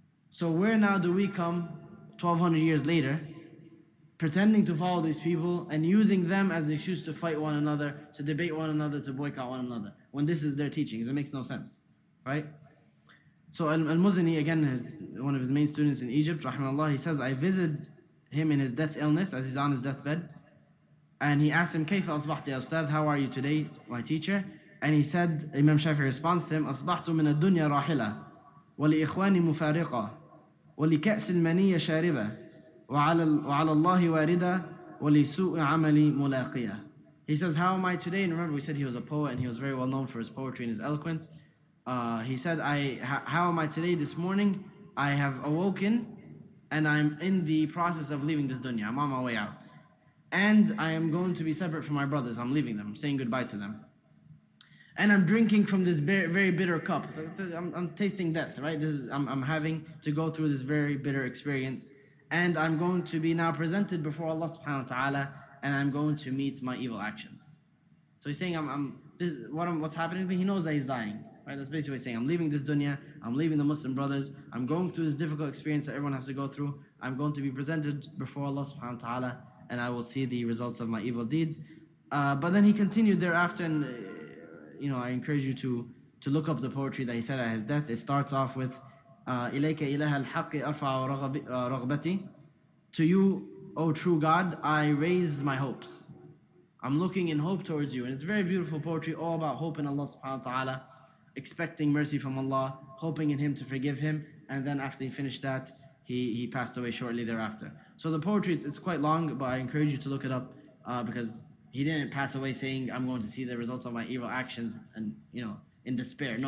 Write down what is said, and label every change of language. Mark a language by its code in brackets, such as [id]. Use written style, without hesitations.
[en] So where now do we come 1200 years later, pretending to follow these people and using them as an excuse to fight one another, to debate one another, to boycott one another, when this is their teachings? It makes no sense, right? So Al-Muzani, again, one of his main students in Egypt, rahimahullah, he says, I visited him in his death illness, as he's on his deathbed, and he asked him, [ar] كيف أصبحت يا أستاذ, [en] how are you today, my teacher? And he said, Imam Shafi responds to him, [ar] أصبحت من الدنيا راحلة ولإخواني مفارقة ولكأس المنية شاربة وعلى الله واردة ولسوء عملي ملاقية. [en] He says, how am I today? And remember, we said he was a poet and he was very well known for his poetry and his eloquence. He said, how am I today? This morning, I have awoken and I'm in the process of leaving this dunya. I'm on my way out. And I am going to be separate from my brothers. I'm leaving them. I'm saying goodbye to them. And I'm drinking from this very bitter cup. I'm tasting death, right? I'm having to go through this very bitter experience. And I'm going to be now presented before Allah subhanahu wa ta'ala, and I'm going to meet my evil actions. So he's saying, what's happening to me? He knows that he's dying. Right, that's basically what he's saying. I'm leaving this dunya, I'm leaving the Muslim brothers, I'm going through this difficult experience that everyone has to go through, I'm going to be presented before Allah subhanahu wa ta'ala, and I will see the results of my evil deeds. But then he continued thereafter, and you know, I encourage you to look up the poetry that he said at his death. It starts off with, [ar] إِلَيْكَ إِلَهَا الْحَقِّ أَرْفَعَ رَغْبَتِي. [en] To you, O true God, I raise my hopes. I'm looking in hope towards you. And it's very beautiful poetry, all about hope in Allah subhanahu wa ta'ala, expecting mercy from Allah, hoping in Him to forgive him, and then after he finished that, he passed away shortly thereafter. So the poetry, it's quite long, but I encourage you to look it up, because he didn't pass away saying, I'm going to see the results of my evil actions, and you know, in despair.